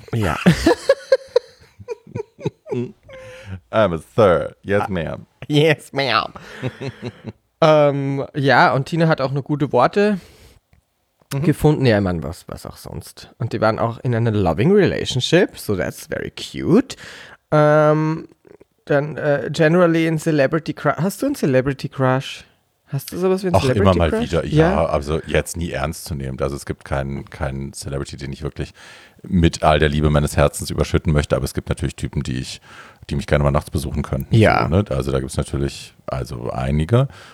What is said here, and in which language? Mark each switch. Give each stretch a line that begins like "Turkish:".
German: Ja.
English: I'm a Sir. Yes, ma'am. Yes, ma'am.
German: ja, und Tina hat auch noch gute Worte gefunden. Ja, ich meine, was auch sonst. Und die waren auch in einer
English: loving relationship, so that's very cute.
German: Dann generally in Celebrity Crush. Hast du einen Celebrity Crush? Hast du sowas wie einen Celebrity Crush? Auch immer mal wieder, ja. Also jetzt nie ernst zu nehmen. Also es gibt keinen Celebrity, den ich wirklich mit all der Liebe meines Herzens überschütten möchte. Aber es gibt natürlich Typen, die mich gerne mal nachts besuchen könnten. Ja. So, ne? Also da gibt es natürlich einige.